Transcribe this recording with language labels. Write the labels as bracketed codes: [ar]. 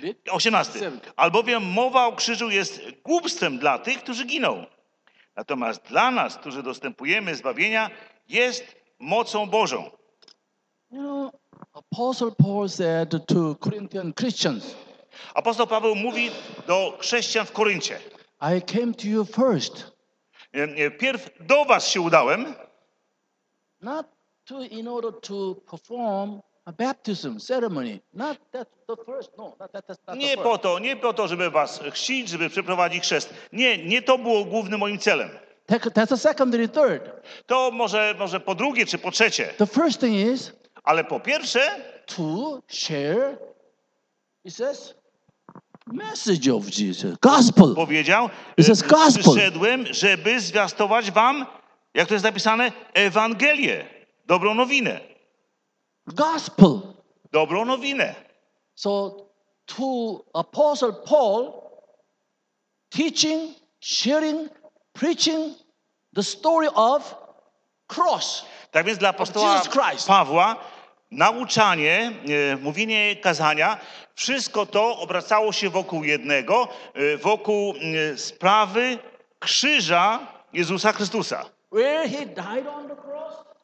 [pl] 18. Albowiem mowa o krzyżu jest głupstwem dla tych, którzy giną. Natomiast dla nas, którzy dostępujemy zbawienia, jest mocą Bożą. [en] Apostle Paul said to Corinthian Christians. [pl] Apostoł Paweł mówi do chrześcijan w Koryncie. [en] I came to you first. [pl] Pierw do was się udałem. [en] Not to in order to perform a baptism ceremony. Not that the first. No, not that, that's not [pl] nie [en] the first. [pl] Po to, nie po to, żeby was chrzcić, żeby przeprowadzić chrzest. Nie, nie to było głównym moim celem. [en] That's a secondary third. [pl] To może po drugie czy po trzecie. [en] The first thing is. [pl] Ale po pierwsze. [en] To share. He says. Message of Jesus. Gospel. [pl] Powiedział. [en] He says gospel. [pl] Przyszedłem, żeby zwiastować wam, jak to jest napisane, Ewangelię. Dobrą nowinę. [en] Gospel. [pl] Dobrą nowinę. [en] So to Apostle Paul teaching, sharing, preaching the story of cross. [pl] Tak więc dla apostoła Pawła nauczanie, mówienie, kazania, wszystko to obracało się wokół jednego, wokół sprawy krzyża Jezusa Chrystusa. [en] Where he died on the cross?